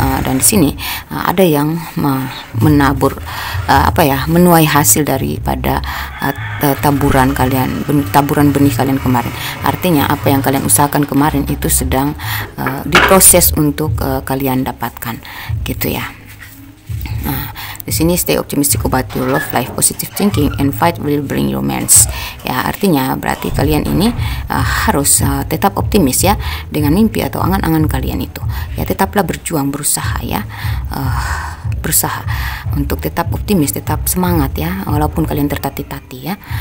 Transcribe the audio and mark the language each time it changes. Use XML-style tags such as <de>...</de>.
<id>Dan di sini ada yang menabur apa ya, menuai hasil daripada taburan kalian, taburan benih kalian kemarin. Artinya apa yang kalian usahakan kemarin itu sedang diproses untuk kalian dapatkan gitu ya. Nah, di sini</id> <en>stay optimistic about your love life, positive thinking and fight will bring romance.</en> <id>Ya, artinya berarti kalian ini harus tetap optimis ya dengan mimpi atau angan-angan kalian itu. Ya, tetaplah berjuang, berusaha ya. Berusaha untuk tetap optimis, tetap semangat ya, walaupun kalian tertatih-tatih ya.</id>